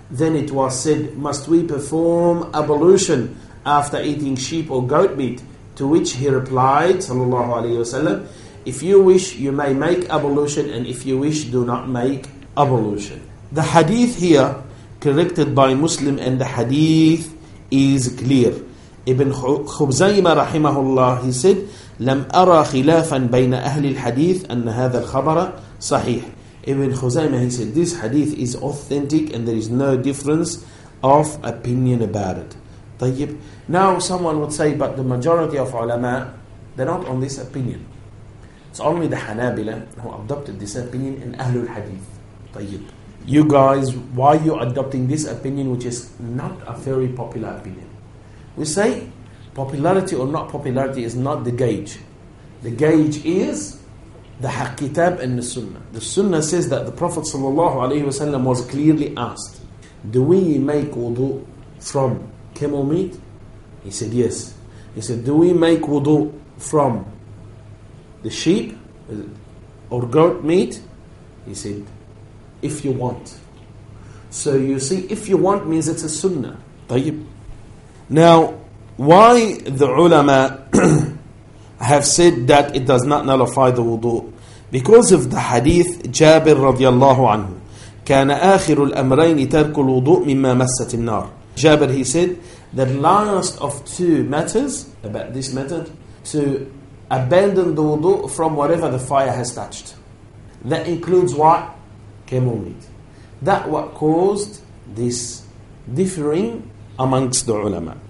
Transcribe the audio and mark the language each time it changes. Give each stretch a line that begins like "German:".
English: Then it was said, must we perform ablution after eating sheep or goat meat? To which he replied, sallallahu alayhi wasallam, if you wish, you may make ablution, and if you wish, do not make ablution. The hadith here, corrected by Muslim, and the hadith is clear.
Arabic: Ibn Khubzaymah rahimahullah, he said, لم أرى خلافا بين أهل الحديث أن هذا الخبر صحيح.
English: Ibn Khuzaymah, he said, this hadith is authentic and there is no difference of opinion about it.
Arabic: طيب.
English: Now someone would say, but the majority of ulama, they're not on this opinion. It's only the Hanabila who adopted this opinion in Ahlul Hadith. طيب. you guys, why are you adopting this opinion which is not a very popular opinion? We say popularity or not popularity is not the gauge. The gauge is the Haqqitab and the Sunnah. The Sunnah says that the Prophet ﷺ was clearly asked, do we make wudu from camel meat? He said, yes. He said, do we make wudu from the sheep or goat meat? He said, if you want. So you see, if you want means it's a sunnah.
Arabic: طيب.
English: Now, why the ulama have said that it does not nullify the wudu? Because of the hadith Jabir radiallahu anhu.
Arabic: كان آخر الأمرين ترك الوضوء مما مست النار.
English: Jabir, he said, the last of two matters, about this matter, to abandon the wudu from whatever the fire has touched. That includes what? Camel meat. That what caused this differing amongst the ulama.